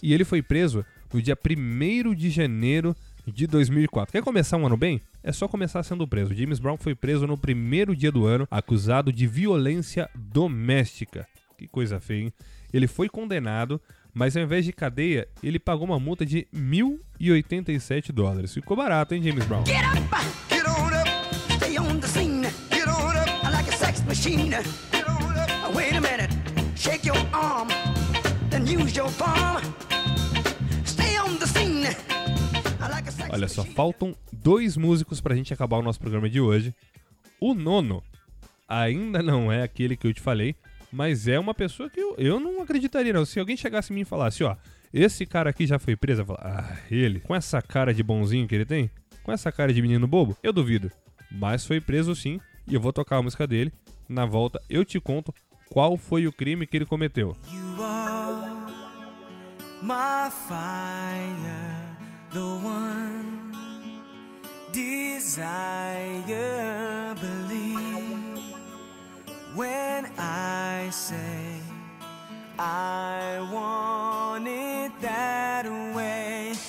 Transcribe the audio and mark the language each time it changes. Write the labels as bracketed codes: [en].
[pt] E ele foi preso no dia 1º de janeiro de 2004. Quer começar um ano bem? É só começar sendo preso. James Brown foi preso no primeiro dia do ano, acusado de violência doméstica. Que coisa feia, hein? Ele foi condenado, mas ao invés de cadeia, ele pagou uma multa de 1.087 dólares. Ficou barato, hein, James Brown? [en] Get up, get on up, stay on the scene. Get on up, I like a sex machine. Wait a minute, shake your arm, then use your palm. Stay on the scene. [pt] Olha só, faltam dois músicos pra gente acabar o nosso programa de hoje. O nono ainda não é aquele que eu te falei, mas é uma pessoa que eu não acreditaria, não. Se alguém chegasse a mim e falasse, ó, esse cara aqui já foi preso, eu falo, ah, ele, com essa cara de bonzinho que ele tem, com essa cara de menino bobo, eu duvido. Mas foi preso sim, e eu vou tocar a música dele. Na volta eu te conto qual foi o crime que ele cometeu. [en] You are my fire. The one desire, believe when I say I want it that way.